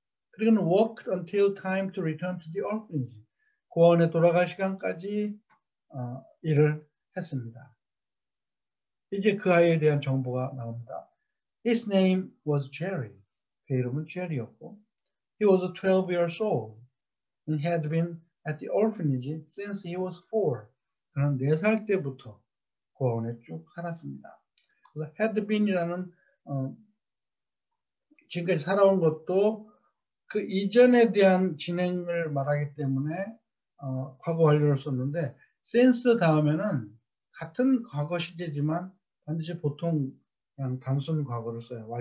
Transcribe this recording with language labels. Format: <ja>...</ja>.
<ko>그리고는</ko> <en>walked until time to return to the orphanage.</en> <ko>고아원에 돌아갈 시간까지 일을 했습니다. 이제 그 아이에 대한 정보가 나옵니다.</ko> <en>His name was Jerry.</en> <ko>그 이름은 제리였고,</ko> <en>He was 12 years old and had been at the orphanage since he was four.</en> <ko>그는 4살 때부터 고아원에 쭉 살았습니다. 그래서 had been이라는 지금까지 살아온 것도 그 이전에 대한 진행을 말하기 때문에 과거 완료를 썼는데 since 다음에는 같은 과거 시제지만 반드시 보통 그냥 단순 과거를 써요.</ko>